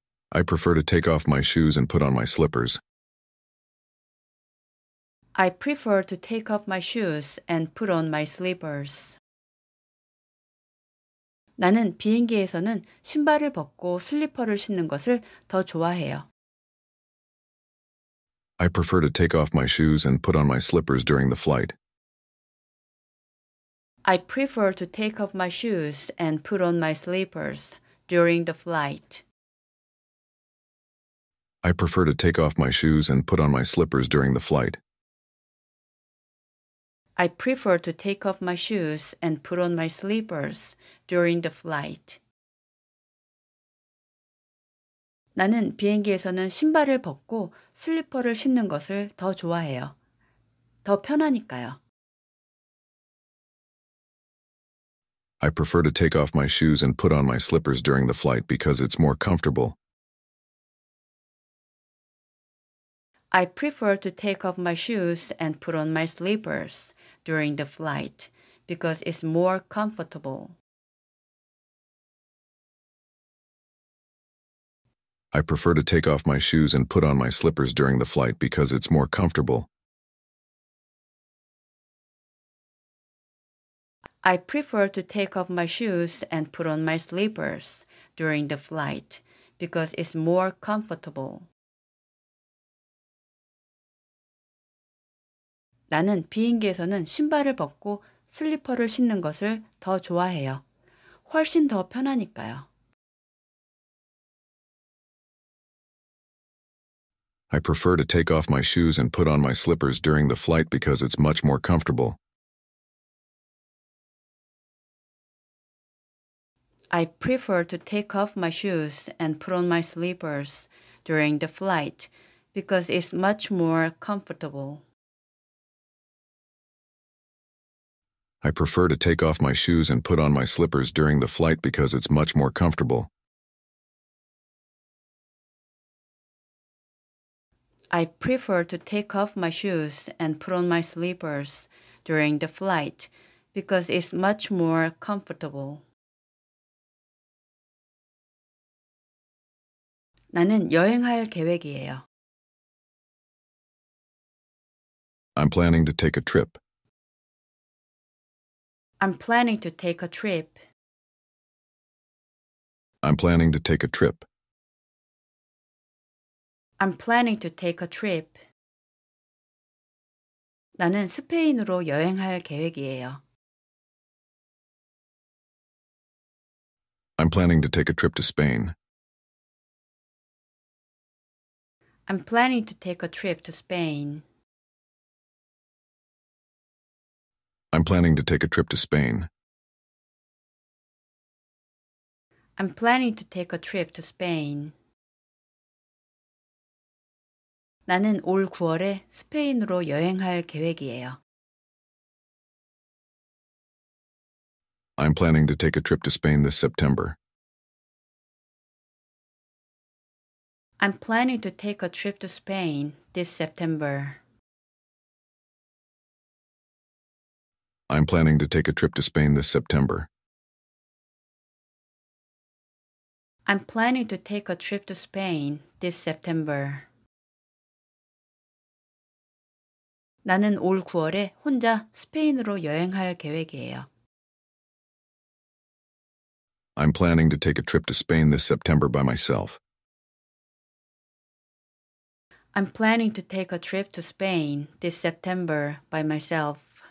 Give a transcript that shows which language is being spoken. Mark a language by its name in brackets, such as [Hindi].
[English] I prefer to take off my shoes and put on my slippers. I prefer to take off my shoes and put on my slippers. [Korean] 나는 비행기에서는 신발을 벗고 슬리퍼를 신는 것을 더 좋아해요. [English] I prefer to take off my shoes and put on my slippers during the flight. I prefer to take off my shoes and put on my slippers during the flight. I prefer to take off my shoes and put on my slippers during the flight. I prefer to take off my shoes and put on my slippers during the flight. [Korean] 나는 비행기에서는 신발을 벗고 슬리퍼를 신는 것을 더 좋아해요. 더 편하니까요. [English] I prefer to take off my shoes and put on my slippers during the flight because it's more comfortable. I prefer to take off my shoes and put on my slippers during the flight because it's more comfortable. I prefer to take off my shoes and put on my slippers during the flight because it's more comfortable. I prefer to take off my shoes and put on my slippers during the flight because it's more comfortable. [Korean] 나는 비행기에서는 신발을 벗고 슬리퍼를 신는 것을 더 좋아해요. 훨씬 더 편하니까요. [English] I prefer to take off my shoes and put on my slippers during the flight because it's much more comfortable. I prefer to take off my shoes and put on my slippers during the flight because it's much more comfortable. I prefer to take off my shoes and put on my slippers during the flight because it's much more comfortable. I prefer to take off my shoes and put on my slippers during the flight because it's much more comfortable. [Korean] 나는 여행할 계획이에요. [English] I'm planning to take a trip. I'm planning to take a trip. I'm planning to take a trip. I'm planning to take a trip. [Korean] 나는 스페인으로 여행할 계획이에요. [English] I'm planning to take a trip to Spain. I'm planning to take a trip to Spain. I'm planning to take a trip to Spain. I'm planning to take a trip to Spain. [Korean] 나는 올 9월에 스페인으로 여행할 계획이에요. [English] I'm planning to take a trip to Spain this September. I'm planning to take a trip to Spain this September. I'm planning to take a trip to Spain this September. I'm planning to take a trip to Spain this September. [Korean] 나는 올 9월에 혼자 스페인으로 여행할 계획이에요. [English] I'm planning to take a trip to Spain this September by myself. I'm planning to take a trip to Spain this September by myself.